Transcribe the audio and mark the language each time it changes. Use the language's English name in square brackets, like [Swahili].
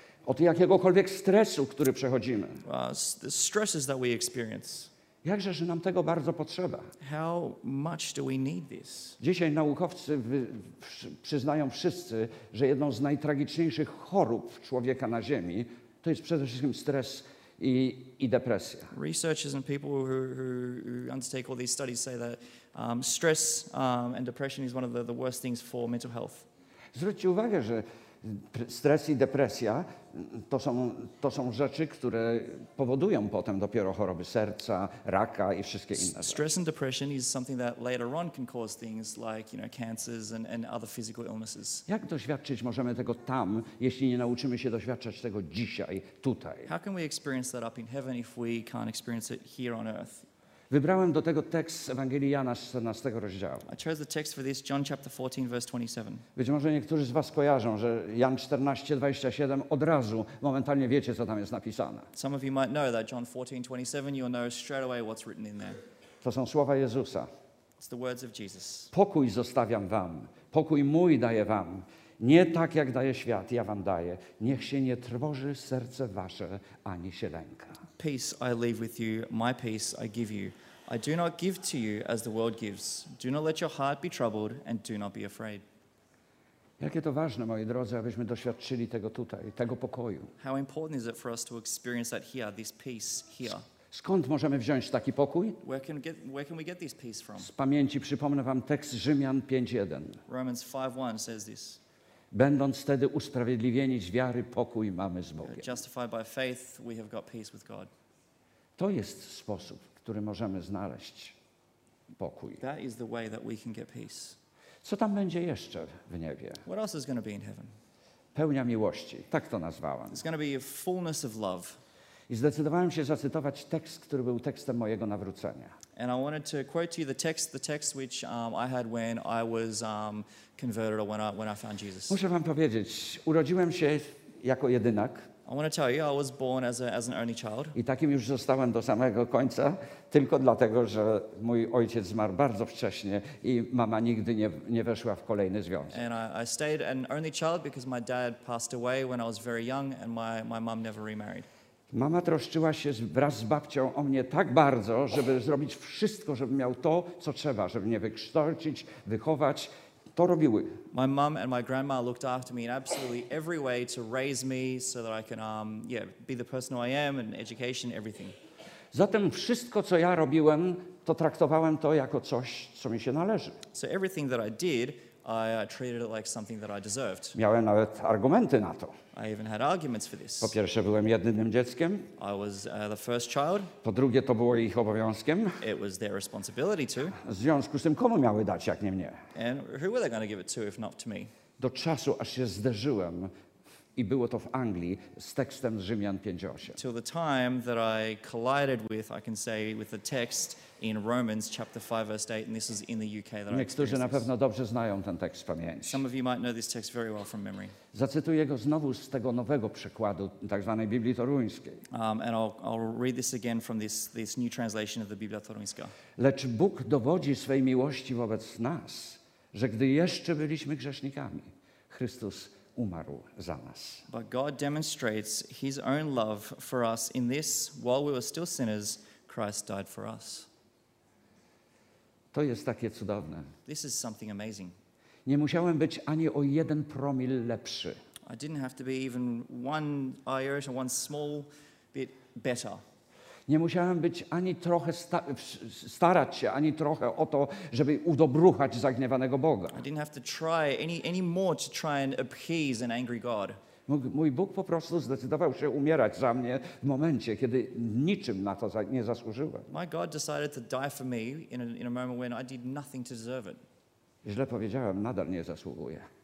[Polish] Od jakiegokolwiek stresu, który przechodzimy. [English] The stresses that we experience. [Polish] Jakże, że nam tego bardzo potrzeba. [English] How much do we need this? [Polish] Dzisiaj naukowcy przyznają wszyscy, że jedną z najtragiczniejszych chorób człowieka na Ziemi to jest przede wszystkim stres i depresja. [English] Researchers and people who undertake all these studies say that stress and depression is one of the worst things for mental health. [Polish] Zwróćcie uwagę, że stres i depresja to są rzeczy, które powodują potem dopiero choroby serca, raka i wszystkie inne. [English] Stress and depression is something that later on can cause things like, you know, cancers and other physical illnesses. [Polish] Jak doświadczyć możemy tego tam, jeśli nie nauczymy się doświadczać tego dzisiaj, tutaj? [English] How can we experience that up in heaven if we can't experience it here on earth? [Polish] Wybrałem do tego tekst Ewangelii Jana 14 rozdziału. [English] I chose the text for this, John chapter 14, verse 27. [Polish] Być może niektórzy z was kojarzą, że Jan 14, 27 od razu, momentalnie wiecie, co tam jest napisane. [English] Some of you might know that John 14, 27, you'll know straight away what's written in there. [Polish] To są słowa Jezusa. [English] It's the words of Jesus. [Polish] Pokój zostawiam wam, pokój mój daję wam. Nie tak, jak daje świat, ja wam daję. Niech się nie trwoży serce wasze, ani się lęka. [English] Peace I leave with you, my peace I give you. I do not give to you as the world gives. Do not let your heart be troubled and do not be afraid. [Polish] Jakie to ważne, moi drodzy, abyśmy doświadczyli tego tutaj, tego pokoju. [English] How important is it for us to experience that here, this peace here? [Polish] Skąd możemy wziąć taki pokój? [English] Where can we get this peace from? [Polish] Z pamięci przypomnę wam tekst Rzymian 5:1. [English] Romans 5:1 says this. [Polish] Będąc wtedy usprawiedliwieni z wiary, pokój mamy z Bogiem. [English] Justified by faith, we have got peace with God. [Polish] To jest sposób, w którym możemy znaleźć pokój. [English] That is the way that we can get peace. [Polish] Co tam będzie jeszcze w niebie? [English] What else is going to be in heaven? [Polish] Pełnia miłości, tak to nazwałem. [English] It's going to be a fullness of love. [Polish] I zdecydowałem się zacytować tekst, który był tekstem mojego nawrócenia. [English] And I wanted to quote to you the text which I had when I was converted or when I found Jesus. [Polish] Muszę wam powiedzieć, urodziłem się jako jedynak. [English] I want to tell you, I was born as an only child. [Polish] I takim już zostałem do samego końca, tylko dlatego, że mój ojciec zmarł bardzo wcześnie i mama nigdy nie weszła w kolejny związek. [English] And I stayed an only child because my dad passed away when I was very young and my mom never remarried. [Polish] Mama troszczyła się wraz z babcią o mnie tak bardzo, żeby zrobić wszystko, żeby miał to, co trzeba, żeby mnie wykształcić, wychować. To robiły. [English] My mom and my grandma looked after me in absolutely every way to raise me so that I can be the person who I am and education, everything. [Polish] Zatem wszystko, co ja robiłem, to traktowałem to jako coś, co mi się należy. [English] So everything that I did, I treated it like something that I deserved. [Polish] Miałem nawet argumenty na to. [English] I even had arguments for this. [Polish] Po pierwsze, byłem jedynym dzieckiem. [English] I was the first child. [Polish] Po drugie, to było ich obowiązkiem. [English] It was their responsibility too. [Polish] W związku z tym, komu miały dać, jak nie mnie? [English] And who were they going to give it to, if not to me? [Polish] Do czasu, aż się zderzyłem, i było to w Anglii, z tekstem z Rzymian 5:8. [English] Till the time that I collided with, I can say, with the text in Romans chapter 5, verse 8, and this is in the UK that I experienced. [Polish] Niektórzy na pewno dobrze znają ten tekst z pamięci. [English] Some of you might know this text very well from memory. [Polish] Zacytuję go znowu z tego nowego przekładu, tak zwanej Biblii Toruńskiej. [English] And I'll read this again from this new translation of the Biblia Toruńska. [Polish] Lecz Bóg dowodzi swej miłości wobec nas, że gdy jeszcze byliśmy grzesznikami, Chrystus umarł za nas. [English] But God demonstrates his own love for us in this, while we were still sinners, Christ died for us. [Polish] To jest takie cudowne. [English] This is something amazing. [Polish] Nie musiałem być ani o jeden promil lepszy. [English] I didn't have to be even one iota, one small bit better. [Polish] Nie musiałem być ani trochę starać się, ani trochę o to, żeby udobruchać zagniewanego Boga. [English] I didn't have to try any more to try and appease an angry God. [Polish] Mój Bóg po prostu zdecydował się umierać za mnie w momencie, kiedy niczym na to nie zasłużyłem. [English] My God decided to die for me in a moment when I did nothing to deserve it. [Polish] Źle powiedziałem, nadal nie zasługuję.